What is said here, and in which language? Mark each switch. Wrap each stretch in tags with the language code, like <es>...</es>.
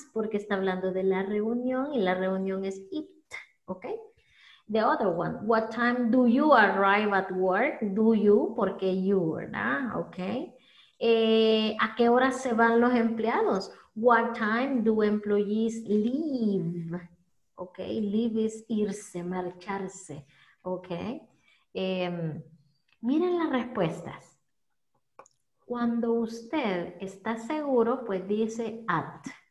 <es>Porque está hablando de la reunión y la reunión es it, okay?</es> <en>The other one, what time do you arrive at work? Do you, porque you, ¿verdad?</en> <es>Okay, ¿a qué hora se van los empleados?</es> <en>What time do employees leave? Ok, leave is</en> <es>irse, marcharse,</es> <en>ok.</en> <es>Miren las respuestas. Cuando usted está seguro, pues dice at.</es>